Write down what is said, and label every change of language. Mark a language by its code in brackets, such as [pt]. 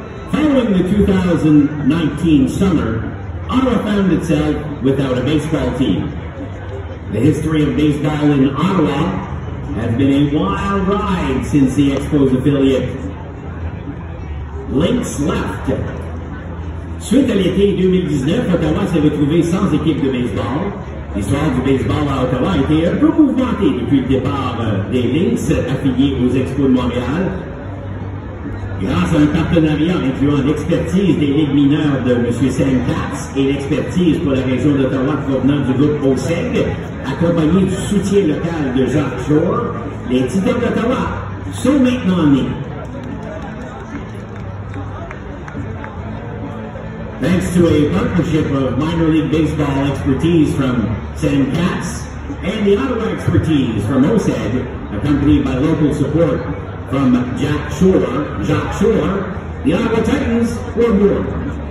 [en] Following the 2019 summer, Ottawa found itself without a baseball team. The history of baseball in Ottawa has been a wild ride since the Expos affiliate. Lynx left. [fr] Suite à l'été 2019, Ottawa s'est retrouvé sans équipe de baseball. L'histoire du baseball à Ottawa a été un peu mouvementée depuis le départ des Lynx affiliés aux Expos de Montréal. Grâce à un partenariat incluant l'expertise des ligues mineures de M. Sam Katz et l'expertise pour la région d'Ottawa provenant du groupe OSEG, accompagné du soutien local de Jacques Shore, les Titans d'Ottawa sont maintenant nés. [en] Thanks to a partnership of minor league baseball expertise from Sam Katz and the Ottawa expertise from OSEG, accompanied by local support from Jacques Shore, the Ottawa Titans were born.